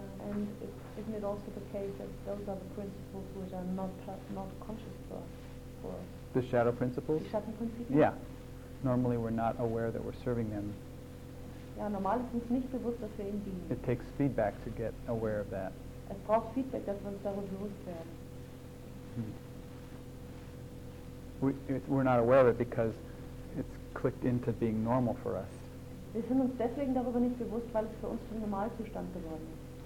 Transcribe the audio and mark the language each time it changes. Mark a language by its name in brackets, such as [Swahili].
[English] And isn't it also the case that those are the principles which are not conscious for us? The shadow principles? [German] Die Schattenprinzipien? [English] Yeah. Normally we're not aware that we're serving them. [German] Ja, normal ist uns nicht bewusst, dass wir ihn dienen. [English] It takes feedback to get aware of that. [German] Es braucht Feedback, dass wir uns darüber bewusst werden. [English] We're not aware of it because it's clicked into being normal for us. [German] Wir sind uns deswegen darüber nicht bewusst, weil es für uns zum Normalzustand geworden ist.